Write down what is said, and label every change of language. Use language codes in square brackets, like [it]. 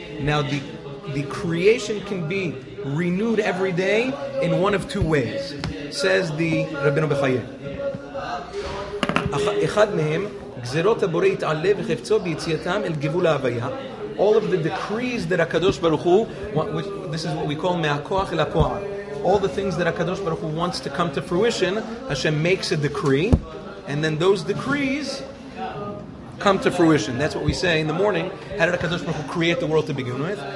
[en] Now the creation can be renewed every day in one of two ways, says the Rabbeinu Bechaye. [he] אחד מהם, גזרות הבורא יתעלה וחפצו ביציאתם אל גבול ההוויה. [en] All of the decrees that HaKadosh Baruch Hu, which, this is what we call [he] מהכוח אל הפועל. [en] All the things that HaKadosh Baruch Hu wants to come to fruition, Hashem makes a decree, and then those decrees come to fruition. That's what we say in the morning. How did HaKadosh Baruch Hu create the world to begin with?